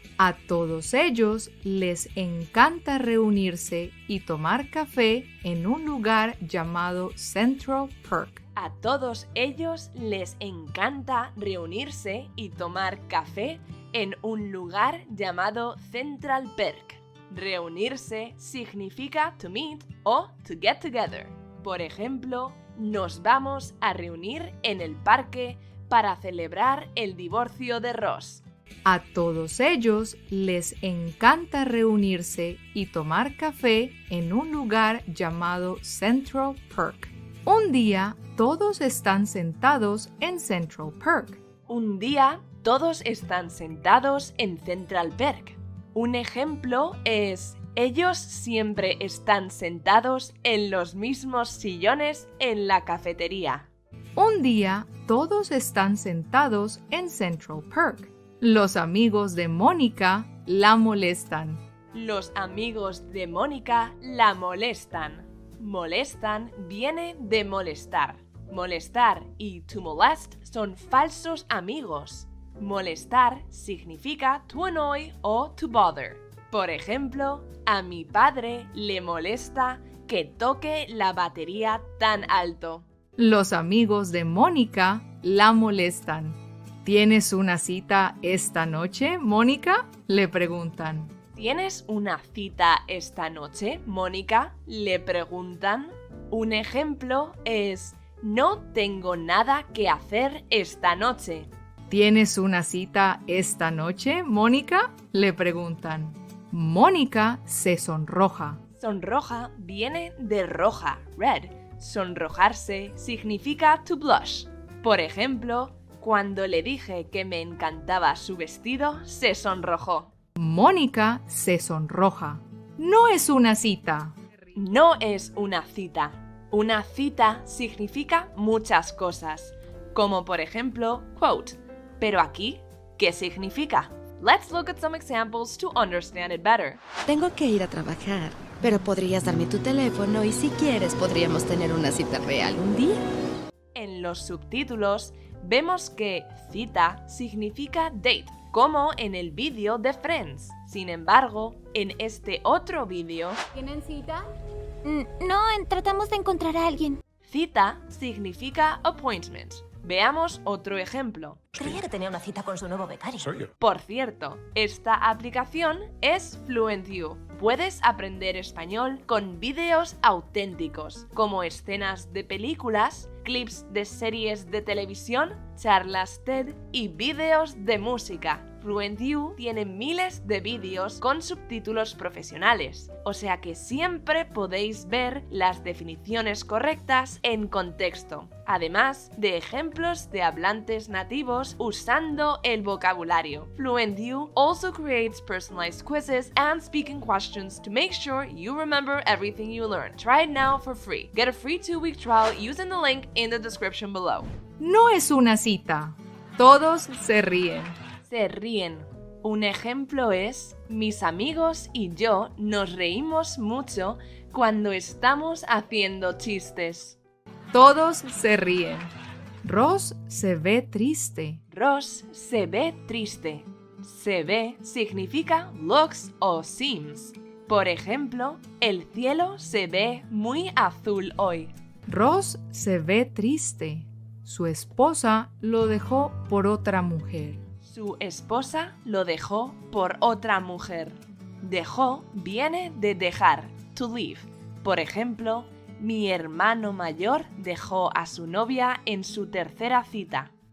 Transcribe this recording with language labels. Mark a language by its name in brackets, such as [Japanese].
[Spanish] A todos ellos les encanta reunirse y tomar café en un lugar llamado Central Park. A todos ellos les encanta reunirse y tomar café en un lugar llamado Central Park. Reunirse significa [English] to meet [Spanish] o [English] to get together. [Spanish] Por ejemplo, nos vamos a reunir en el parque para celebrar el divorcio de Ross. A todos ellos les encanta reunirse y tomar café en un lugar llamado Central Park. Un día, todos están sentados en Central Park. Un día, todos están sentados en Central Park. Un ejemplo es, ellos siempre están sentados en los mismos sillones en la cafetería. Un día, todos están sentados en Central Park. Los amigos de Mónica la molestan. Los amigos de Mónica la molestan. Molestan viene de molestar. Molestar y [English] to molest [Spanish] son falsos amigos. Molestar significa [English] to annoy [Spanish] o [English] to bother. [Spanish] Por ejemplo, a mi padre le molesta que toque la batería tan alto. Los amigos de Mónica la molestan. ¿Tienes una cita esta noche, Mónica? Le preguntan. ¿Tienes una cita esta noche, Mónica? Le preguntan. Un ejemplo es, no tengo nada que hacer esta noche. ¿Tienes una cita esta noche, Mónica? Le preguntan. Mónica se sonroja. Sonroja viene de roja, red. Sonrojarse significa [English] to blush. [Spanish] Por ejemplo, cuando le dije que me encantaba su vestido, se sonrojó. Mónica se sonroja. No es una cita. No es una cita. Una cita significa muchas cosas. Como por ejemplo, quote, pero aquí, ¿qué significa? [English] Let's look at some examples to understand it better. [Spanish] Tengo que ir a trabajar, pero podrías darme tu teléfono y si quieres podríamos tener una cita real un día. En los subtítulos, vemos que cita significa date, como en el vídeo de Friends. Sin embargo, en este otro vídeo... ¿Tienen cita? No, tratamos de encontrar a alguien. Cita significa appointment, Veamos otro ejemplo. Creía que tenía una cita con su nuevo becario. Soy yo. Por cierto, esta aplicación es FluentU. Puedes aprender español con vídeos auténticos, como escenas de películas, clips de series de televisión, charlas TED y vídeos de música. FluentU tiene miles de vídeos con subtítulos profesionales, o sea que siempre podéis ver las definiciones correctas en contexto, además de ejemplos de hablantes nativos usando el vocabulario. [English] FluentU also creates personalized quizzes and speaking questions to make sure you remember everything you learn. Try it now for free. Get a free 2-week trial using the link in the description below. [Spanish] No es una cita. Todos se ríen. Se ríen. Un ejemplo es, mis amigos y yo nos reímos mucho cuando estamos haciendo chistes. Todos se ríen. Ross se ve triste. Ross se ve triste. Se ve significa looks o seems. Por ejemplo, el cielo se ve muy azul hoy. Ross se ve triste. Su esposa lo dejó por otra mujer. Su esposa lo dejó por otra mujer. Dejó viene de dejar, [English] to leave. [Spanish] Por ejemplo, mi hermano mayor dejó a su novia en su tercera cita.